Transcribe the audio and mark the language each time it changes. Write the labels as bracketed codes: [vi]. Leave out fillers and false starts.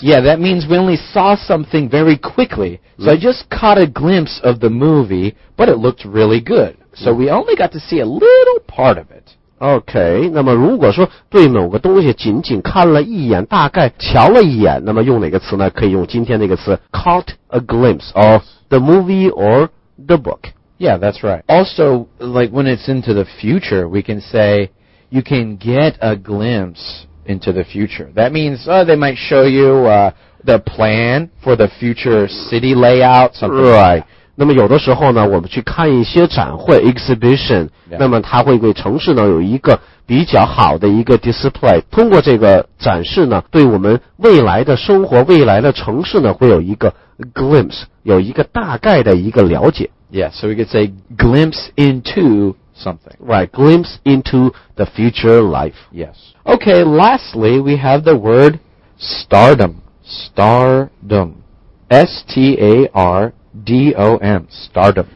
[en] Yeah, that means we only saw something very quickly. So I just caught a glimpse of the movie, but it looked really good. So we only got to see a little part of it. [zh] Okay, 那么如果说对某个东西仅仅看了一眼，大概瞧了一眼，那么用哪个词呢？可以用今天那个词 [en] caught a glimpse of the movie or the book. Yeah, that's right. Also, like when it's into the future, we can say you can get a glimpse into the future. That means they might show you the plan for the future city layout, something right. like that. [zh] 那么有的时候呢，我们去看一些展会 exhibition， 那么它会对城市呢有一个比较好的一个 display。通过这个展示呢，对我们未来的生活、未来的城市呢，会有一个 glimpse， 有一个大概的一个了解。 [en] Yeah, so we could say glimpse into something. Right, glimpse into the future life. Yes. Okay. Lastly, we have the word stardom. Stardom. S-T-A-R-D-O-M, stardom.